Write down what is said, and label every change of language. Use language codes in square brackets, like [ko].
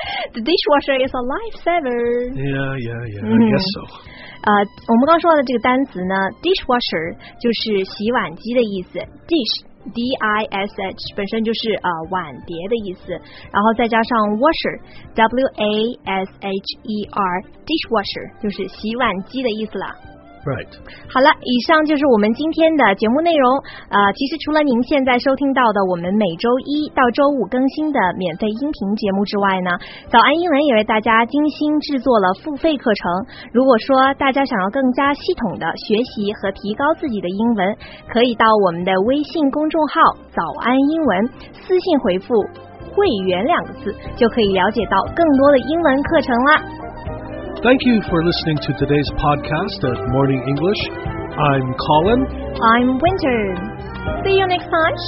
[en] The dishwasher is a lifesaver. Yeah, I guess so. [zh] 我们刚说的这个单词呢 ,dishwasher 就是洗碗机的意思。 Dish, D-I-S-H, 本身就是碗碟的意思。然后再加上 washer, W-A-S-H-E-R, dishwasher, 就是洗碗机的意思啦。 Right. 好了，以上就是我们今天的节目内容。其实除了您现在收听到的我们每周一到周五更新的免费音频节目之外呢，早安英文也为大家精心制作了付费课程。如果说大家想要更加系统的学习和提高自己的英文，可以到我们的微信公众号“早安英文”私信回复“会员”两个字，就可以了解到更多的英文课程啦。 [en] Thank you for listening to today's podcast of Morning English. I'm Colin. I'm Winter. See you next time.